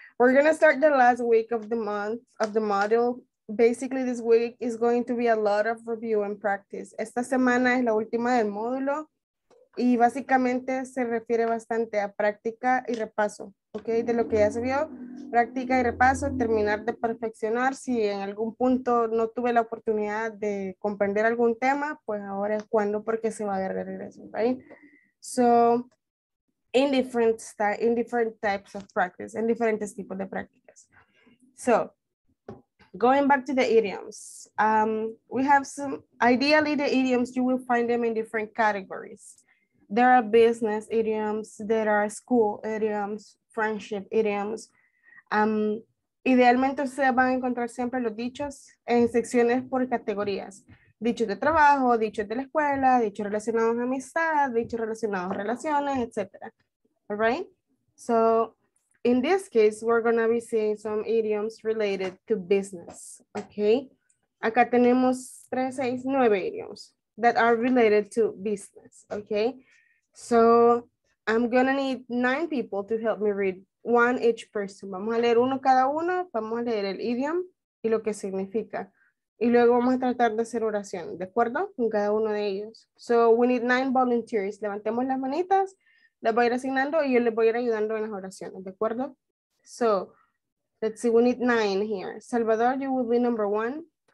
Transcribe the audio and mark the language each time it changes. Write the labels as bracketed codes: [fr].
[en] We're going to start the last week of the month, of the module. Basically, this week is going to be a lot of review and practice. [es] Esta semana es la última del módulo. Y básicamente se refiere bastante a práctica y repaso, ¿ok? De lo que ya se vio, práctica y repaso, terminar de perfeccionar. Si en algún punto no tuve la oportunidad de comprender algún tema, pues ahora es cuando, porque se va a ver de regreso, ¿right? [en] So, in different types of practice, [es] en diferentes tipos de prácticas. [en] So, going back to the idioms, we have some, ideally the idioms, you will find them in different categories. There are business idioms, there are school idioms, friendship idioms. [es] Idealmente ustedes van a encontrar siempre los dichos en secciones por categorías. Dichos de trabajo, dichos de la escuela, dichos relacionados a amistad, dichos relacionados a relaciones, etc. [en] All right? So, in this case, we're going to be seeing some idioms related to business. Okay? [es] Acá tenemos [en] 3, 6, 9 idioms that are related to business. Okay? So, I'm going to need 9 people to help me read one each person. [es] Vamos a leer uno cada uno, vamos a leer el idiom y lo que significa. Y luego vamos a tratar de hacer oración, ¿de acuerdo? Con cada uno de ellos. [en] So, we need 9 volunteers. [es] Levantemos las manitas, las voy a ir asignando y yo les voy a ir ayudando en las oraciones, ¿de acuerdo? [en] So, let's see, we need 9 here. Salvador, you will be number 1.